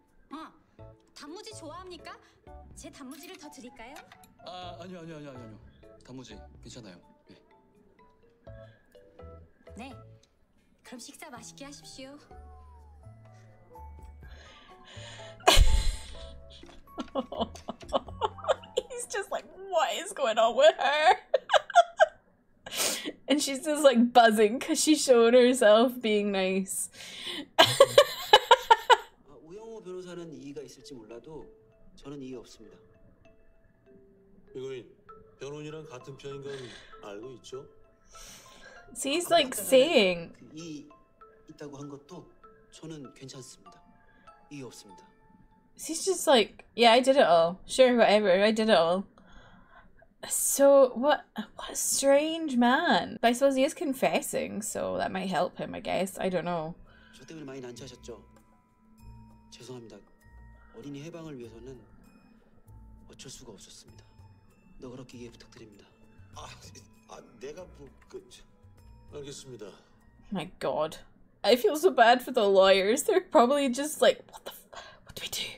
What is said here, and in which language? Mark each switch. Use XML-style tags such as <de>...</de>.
<ko>아, 단무지 좋아합니까? 제 단무지를 더 드릴까요? 아, 아니요, 아니요, 아니요, 아니요. 단무지 괜찮아요. 네. 네. 그럼 식사 맛있게 하십시오.</ko> <en>He's just like, what is going on with her? And she's just like buzzing because she's shown herself being nice.</en> <ko>우영우 변호사는 이의가 있을지 몰라도 저는 이의 없습니다. 이거인 변호인이랑 같은 편인 건 알고 있죠?</ko> <en>So he's like saying</en> <ko>이 있다고 한 것도 저는 괜찮습니다. 이의 없습니다.</ko> <en>She's just like, yeah, I did it all. Sure, whatever, I did it all. So, what a strange man. But I suppose he is confessing, so that might help him, I guess. I don't know.</en> <ko>저 때문에 많이 난처하셨죠? 죄송합니다. 어린이 해방을 위해서는 어쩔 수가 없었습니다. 너그럽게 이해 부탁드립니다. 아 내가 뭐 그 알겠습니다.</ko> <en>Oh my god. I feel so bad for the lawyers. They're probably just like, what the what do we do?</en>